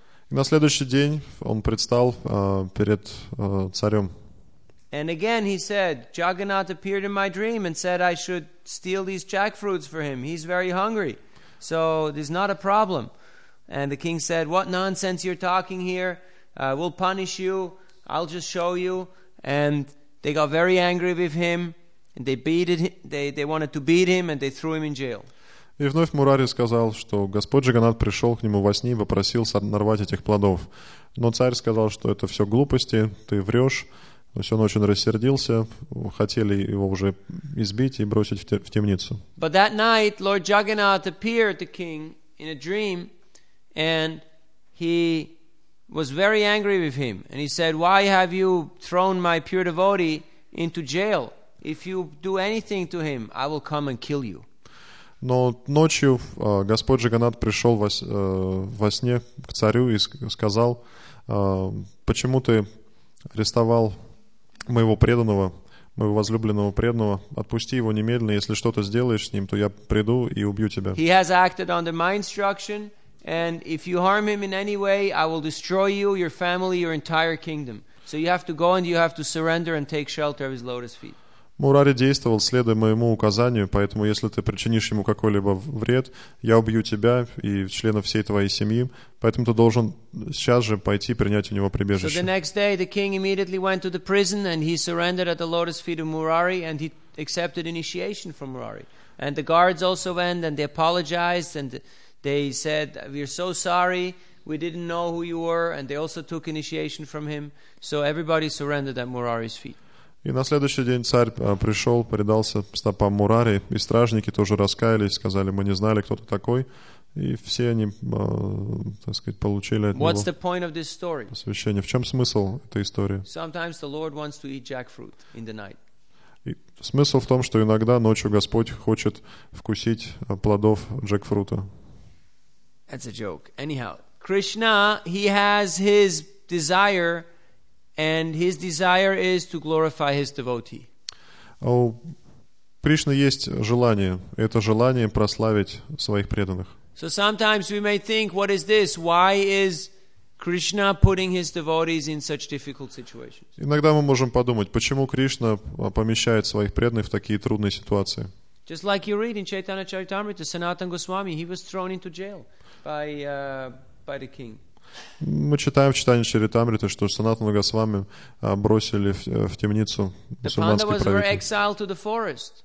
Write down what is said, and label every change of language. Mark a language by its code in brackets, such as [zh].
[ru] И на следующий день он предстал перед царем. [en] And again he said, Jagannath appeared in my dream and said I should steal these jackfruits for him. He's very hungry. So there's not a problem. And the king said, what nonsense you're talking here. We'll punish you. I'll just show you. And they got very angry with him. And they beat him. They wanted to beat him and they threw him in jail. [ru] И вновь Мурари сказал, что Господь Джаганнат пришел к нему во сне и попросил нарвать этих плодов. Но царь сказал, что это все глупости, ты врешь. То есть он очень рассердился, хотели его уже избить и бросить в темницу. [en] But that night, Lord Jagannath appeared to the king in a dream, and he was very angry with him, and he said, "Why have you thrown my pure devotee into jail? If you do anything to him, I will come and kill you." [ru] Но ночью Господь Джаганнат пришел во сне к царю и сказал: "Почему ты арестовал моего преданного, моего возлюбленного преданного, отпусти его немедленно, если что-то сделаешь с ним, то я приду и убью тебя." [en] He has acted under my instruction, and if you harm him in any way, I will destroy you, your family, your entire kingdom. So you have to go and you have to surrender and take shelter of his lotus feet. [ru] Мурари действовал, следуя моему указанию, поэтому если ты причинишь ему какой-либо вред, я убью тебя и членов всей твоей семьи, поэтому ты должен сейчас же пойти принять у него прибежище. [en] So the next day the king immediately went to the prison and he surrendered at the lotus feet of Murari and he accepted initiation from Murari. And the guards also went and they apologized and they said, "We are so sorry, we didn't know who you were," and they also took initiation from him. So everybody surrendered at Murari's feet. [ru] И на следующий день царь пришел, предался стопам Мурари, и стражники тоже раскаялись, сказали: "Мы не знали, кто ты такой", и все они, так сказать, получили от него. [en] What's the point of this story? [ru] Посвящение. В чем смысл этой истории? [en] Sometimes the Lord wants to eat jackfruit in the night. [ru] И смысл в том, что иногда ночью Господь хочет вкусить плодов джекфрута. [en] That's a joke. Anyhow, Krishna, he has his desire. And his desire is to glorify his devotee. [ru] У Кришны есть желание, это желание прославить своих преданных. [en] So sometimes we may think, what is this? Why is Krishna putting his devotees in such difficult situations? [ru] Иногда мы можем подумать, почему Кришна помещает своих преданных в такие трудные ситуации? [en] Just like you read in Chaitanya Charitamrita, Sanatan Goswami, he was thrown into jail by the king. [ru] Мы читаем в читании Чаритамриты, что Санатана Госвами бросили в темницу мусульманские правители.